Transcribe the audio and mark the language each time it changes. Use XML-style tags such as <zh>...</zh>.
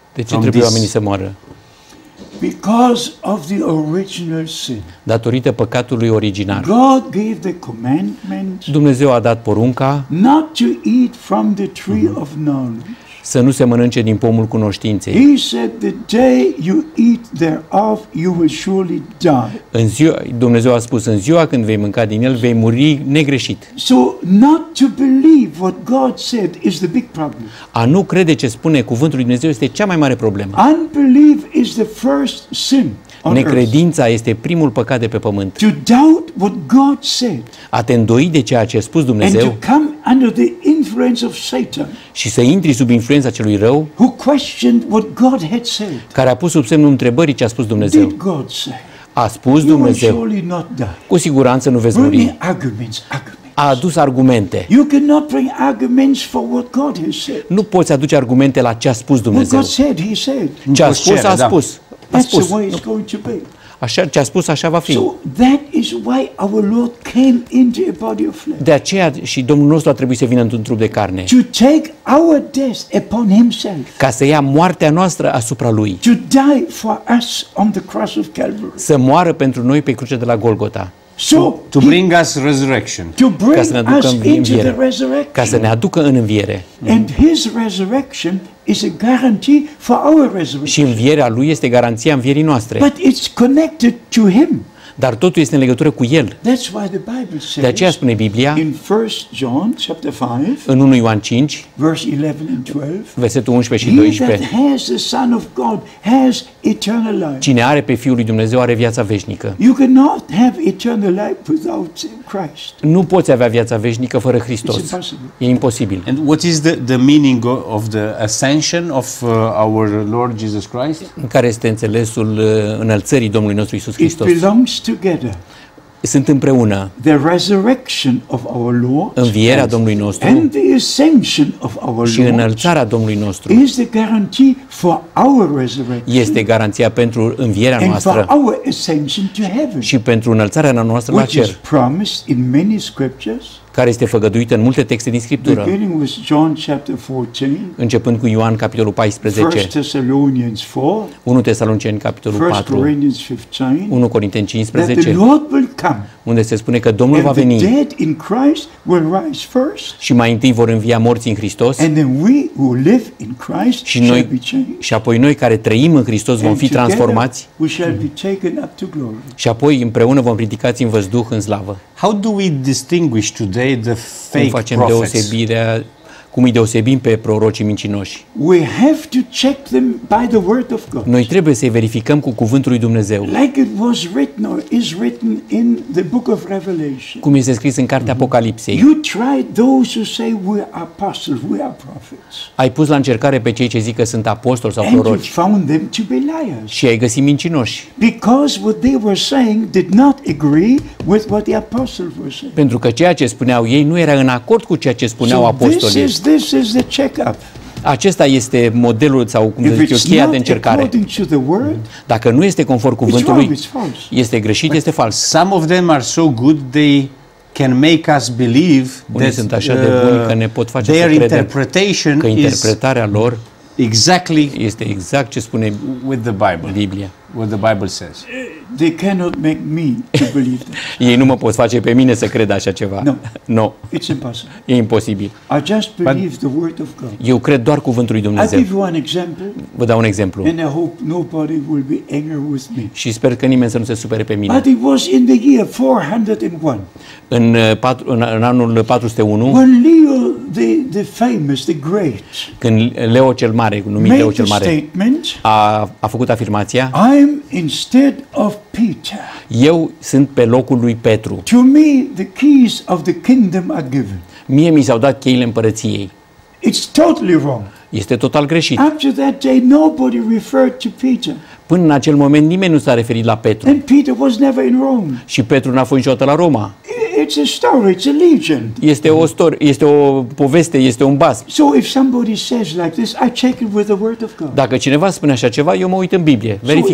<ro>De ce trebuie oamenii să moară?</ro> <en>Because of the original sin.</en> <ro>Datorită păcatului original.</ro> <en>God gave the commandment.</en> <ro>Dumnezeu a dat porunca.</ro> <en>Not to eat from the tree of knowledge.</en> <ro>Să nu se mănânce din pomul cunoștinței.</ro> <en>He said the day you eat thereof you will surely die.</en> <ro>În ziua, Dumnezeu a spus, în ziua când vei mânca din el vei muri negreșit.</ro> <en>So not to believe what God said is the big problem.</en> <ro>A nu crede ce spune cuvântul lui Dumnezeu este cea mai mare problemă.</ro> <en>Unbelief is the first sin.</en> <ro>Necredința este primul păcat de pe pământ.</ro> <en>To doubt what God said.</en> <ro>A te îndoi de ceea ce a spus Dumnezeu.</ro> <en>And to come under the influence of Satan.</en> <ro>Și să intri sub influența celui rău.</ro> <en>Who questioned what God had said.</en> <ro>Care a pus sub semnul întrebării ce a spus Dumnezeu.</ro> <en>Did God say?</en> <ro>A spus</ro> <en>you</en> <ro>Dumnezeu.</ro> <en>Will surely not die.</en> <ro>Cu siguranță nu veți muri.</ro> <en>Arguments, arguments.</en> <ro>A adus argumente.</ro> <en>You cannot bring arguments for what God has said.</en> <ro>Nu poți aduce argumente la ce a spus Dumnezeu.</ro> <en>What God said, he said.</en> <ro>Ce a spus, a spus.</ro> <en>That's the way it's going to be.</en> <ro>Așa ce a spus, așa va fi.</ro> <en>So that is why our Lord came into a body of flesh.</en> <ro>De aceea și Domnul nostru a trebuit să vină într-un trup de carne.</ro> <en>To take our death upon himself.</en> <ro>Ca să ia moartea noastră asupra lui.</ro> <en>To die for us on the cross of Calvary.</en> <ro>Să moară pentru noi pe crucea de la Golgota.</ro> <en>So to bring us resurrection. To bring us into the resurrection.</en> <ro>Ca să ne aducă în înviere.</ro> <en>And his resurrection is a guarantee for our resurrection.</en> <ro>Și învierea lui este garanția învierii noastre.</ro> <en>But it's connected to him.</en> <ro>Dar totul este în legătură cu el.</ro> <en>That's why the Bible says.</en> <ro>De aceea spune Biblia.</ro> <en>In 1 John chapter 5.</en> <ro>În 1 Ioan 5.</ro> <en>Verse 11 and 12.</en> <ro>Versetul 11 și 12.</ro> <en>He that has the Son of God has eternal life.</en> <ro>Cine are pe Fiul lui Dumnezeu are viața veșnică.</ro> <en>You cannot have eternal life without Christ.</en> <ro>Nu poți avea viața veșnică fără Hristos.</ro> <en>It's impossible.</en> <ro>E imposibil.</ro> <en>And what is the meaning of the ascension of our Lord Jesus Christ?</en> <ro>Care este înțelesul înălțării Domnului nostru Iisus Hristos?</ro> <en>It belongs together.</en> <ro>Sunt împreună.</ro> <en>The resurrection of our Lord.</en> <ro>Învierea Domnului nostru.</ro> <en>And the ascension of our Lord.</en> <ro>Și înălțarea Domnului nostru.</ro> <en>Is the guarantee for our resurrection.</en> <ro>Este garanția pentru învierea noastră.</ro> <en>And for our ascension to heaven.</en> <ro>Și pentru înălțarea noastră la cer.</ro> <en>Which is promised in many scriptures.</en> <ro>Care este făgăduită în multe texte din Scriptură.</ro> <en>Beginning with John chapter 14.</en> <ro>Începând cu Ioan capitolul 14.</ro> <en>1 Thessalonians 4.</en> <ro>1 Tesaloniceni capitolul 4.</ro> <en>1 Corinthians 15.</en> <ro>1 Corinteni 15.</ro> <en>That the Lord will come.</en> <ro>Unde se spune că Domnul va veni.</ro> <en>And the dead in Christ will rise first.</en> <ro>Și mai întâi vor învia morții în Hristos.</ro> <en>And then we who live in Christ shall be changed.</en> <ro>Și apoi noi care trăim în Hristos vom fi transformați.</ro> <en>We shall be taken up to glory.</en> <ro>Și apoi împreună vom ridicați în văzduh în slavă.</ro> <en>How do we distinguish today the fake</en> <ro>facem deosebirea, cum îi deosebim pe prorocii mincinoși?</ro> <en>We have to check them by the word of God.</en> <ro>Noi trebuie să-i verificăm cu cuvântul lui Dumnezeu.</ro> <en>Like it was written or is written in the book of Revelation.</en> <ro>Cum este scris în cartea Apocalipsei.</ro> <en>You try those who say we are apostles, we are prophets.</en> <ro>Ai pus la încercare pe cei ce zic că sunt apostoli sau proroci.</ro> <en>And you found them to be liars.</en> <ro>Și ai găsit mincinoși.</ro> <en>Because what they were saying did not agree with what the apostles were saying.</en> <ro>Pentru că ceea ce spuneau ei nu era în acord cu ceea ce spuneau apostolii.</ro> <en>This is the checkup.</en> <ro>acesta este modelul sau cum zic eu, cheia de încercare. Dacă nu este conform cuvântului, este greșit, este fals.</ro> <en>Some of them are so good they can make us believe</en> <ro>that sunt așa de buni că ne pot face să credem că interpretarea lor</ro> <en>exactly</en> <ro>este exact ce spune</ro> <en>with the Bible.</en> <ro>Biblia.</ro> <en>What the Bible says. They cannot make me to believe that.</en> <ro>Ei nu mă pot face pe mine să cred așa ceva.</ro> <en>No. It's impossible.</en> <ro>E imposibil.</ro> <en>I just believe the word of God.</en> <ro>Eu cred doar cuvântul lui Dumnezeu.</ro> <en>I'll give you an example.</en> <ro>Vă dau un exemplu.</ro> <en>And I hope nobody will be angry with me.</en> <ro>Și sper că nimeni să nu se supere pe mine.</ro> <en>But it was in the year 401.</en> <ro>În anul 401.</ro> <en>When Leo the famous, the great.</en> <ro>Când Leo cel mare, numit Leo cel mare. A făcut afirmația.</ro> <en>I'm instead of Peter.</en> <ro>Eu sunt pe locul lui Petru.</ro> <en>To me the keys of the kingdom are given.</en> <ro>Mie mi s-au dat cheile împărăției.</ro> <en>It's totally wrong.</en> <ro>Este total greșit.</ro> <en>After that day nobody referred to Peter.</en> <ro>Până în acel moment nimeni nu s-a referit la Petru.</ro> <en>And Peter was never in Rome.</en> <ro>Și Petru n-a fost niciodată la Roma.</ro> <en>It's a story, it's a legend.</en> <ro>Este o istorie, este o poveste, este un basm.</ro> <en>So if somebody says like this, I check it with the word of God.</en> <ro>Dacă cineva spune așa ceva, eu mă uit în Biblie, verific</ro>